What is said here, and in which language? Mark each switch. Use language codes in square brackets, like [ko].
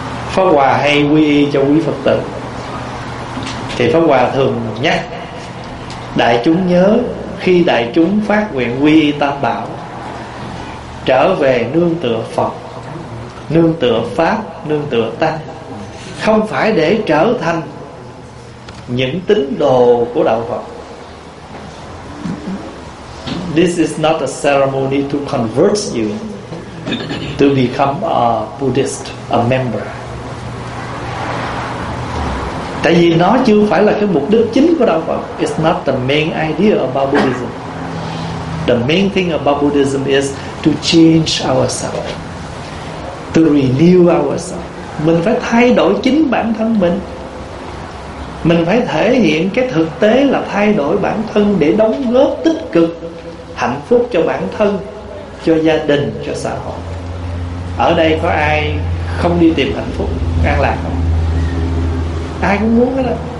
[vi] Pháp Hòa hay quy y cho quý Phật tử, thì Pháp Hòa thường nhắc đại chúng nhớ, khi đại chúng phát nguyện quy y Tam Bảo, trở về nương tựa Phật, nương tựa Pháp, nương tựa Tăng, không phải để trở thành những tín đồ của đạo Phật. [en] This is not a ceremony to convert you to become a Buddhist, a member. [vi] Tại vì nó chưa phải là cái mục đích chính của đạo Phật. [en] It's not the main idea about Buddhism. The main thing about Buddhism is to change ourselves, to renew ourselves. [vi] Mình phải thay đổi chính bản thân mình. Mình phải thể hiện cái thực tế là thay đổi bản thân để đóng góp tích cực, hạnh phúc cho bản thân, cho gia đình, cho xã hội. Ở đây có ai không đi tìm hạnh phúc, an lạc không? Ai cũng muốn hết đó.